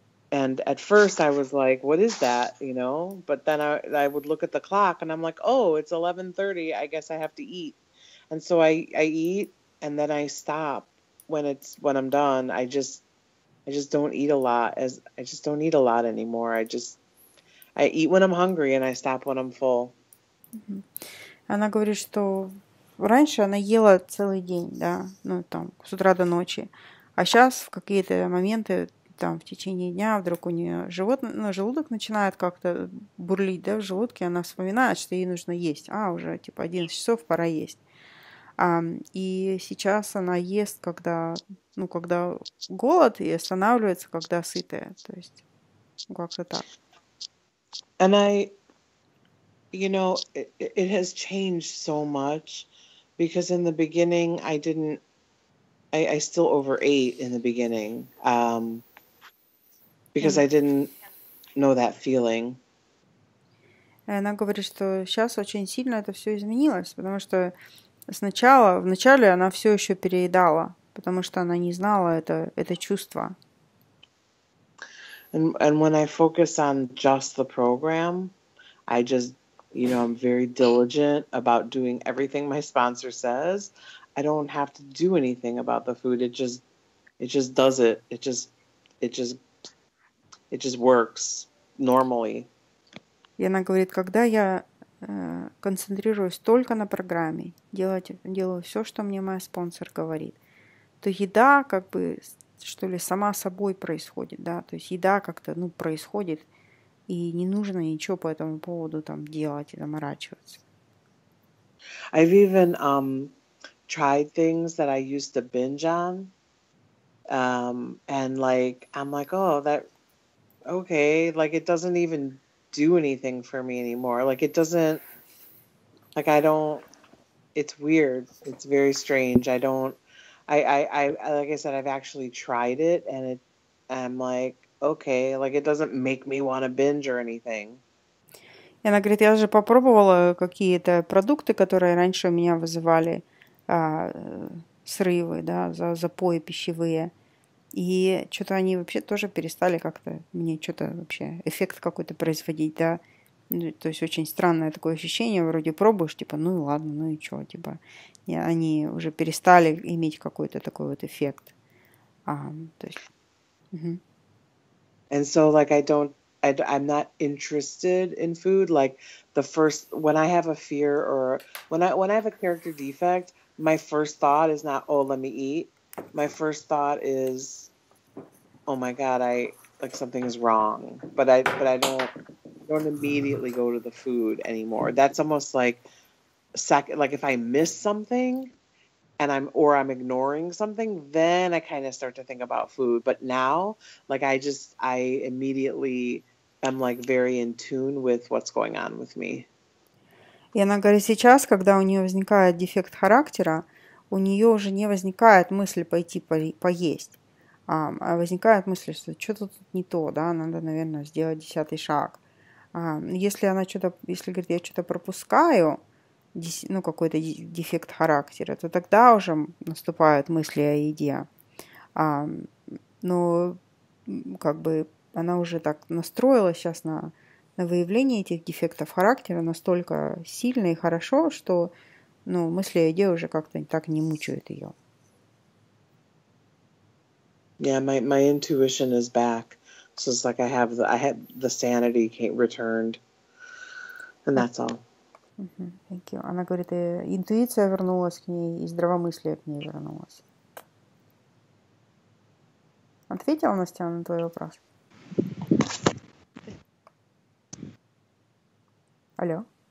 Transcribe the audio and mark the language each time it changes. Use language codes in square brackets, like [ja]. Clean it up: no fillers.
[en] And at first I was like, what is that? You know, but then I would look at the clock and I'm like, oh, it's 11:30. I guess I have to eat. And so I eat. And then I stop when I'm done. I just don't eat a lot I just don't eat a lot anymore. I eat when I'm hungry and I stop when I'm full. [ru] Она говорит, что раньше она ела целый день, да, ну там с утра до ночи, а сейчас в какие-то моменты там в течение дня вдруг у нее желудок начинает как-то бурлить, да, в желудке, она вспоминает, что ей нужно есть, а уже типа 11 часов пора есть. И сейчас она ест, когда, ну, когда голод, и останавливается, когда сытая. То есть, как-то так. [en] And you know, it has changed so much, because in the beginning I still overate in the beginning, because I didn't know that feeling. [ru] Она говорит, что сейчас очень сильно это все изменилось, потому что сначала, вначале она все еще переедала, потому что она не знала это чувство. [en] And when I focus on just the program, I just, you know, I'm very diligent about doing everything my sponsor says. I don't have to do anything about the food. It just does it. It just works normally. [ru] И она говорит, когда я концентрируюсь только на программе, делаю все, что мне моя спонсор говорит, то еда как бы, что ли, сама собой происходит, да, то есть еда как-то, ну, происходит, и не нужно ничего по этому поводу там делать и заморачиваться. [en] I've even tried things that I used to binge on, and like, I'm like, oh, that, okay, like, it doesn't even do anything for me anymore. Like, it doesn't, like, I don't, it's weird. It's very strange. I like I said, I've actually tried it, and I'm like, okay, like, it doesn't make me want to binge or anything. [ru] И она говорит, я же попробовала какие-то продукты, которые раньше у меня вызывали срывы, да, запои пищевые. И что-то они вообще тоже перестали как-то мне что-то вообще эффект какой-то производить, да. То есть очень странное такое ощущение, вроде пробуешь, типа, ну и ладно, ну и что, типа, они уже перестали иметь какой-то такой вот эффект. То есть, [en] And so, like, I'm not interested in food. Like, the first, when I have a fear or when I have a character defect, my first thought is not, oh, let me eat. My first thought is, oh my God, something is wrong. But I don't immediately go to the food anymore. That's almost like second, like if I miss something and I'm ignoring something, then I kind of start to think about food. But now, like I immediately am like very in tune with what's going on with me. [ru] И она говорит, сейчас, когда у нее возникает дефект характера, у нее уже не возникает мысли пойти поесть. А возникает мысль, что что-то тут не то, да, надо, наверное, сделать десятый шаг. Если говорит, я что-то пропускаю, ну, какой-то дефект характера, то тогда уже наступают мысли о еде. Но как бы она уже так настроилась сейчас на выявление этих дефектов характера настолько сильно и хорошо, что, ну, мысли о еде уже как-то так не мучают ее. [en] Yeah, my intuition is back. So it's like I had the sanity returned. And that's all. Mm-hmm. Thank you. [ru] Она говорит, интуиция вернулась к ней, и здравомыслие к ней вернулось. Ответила Настя на твой вопрос? Алло?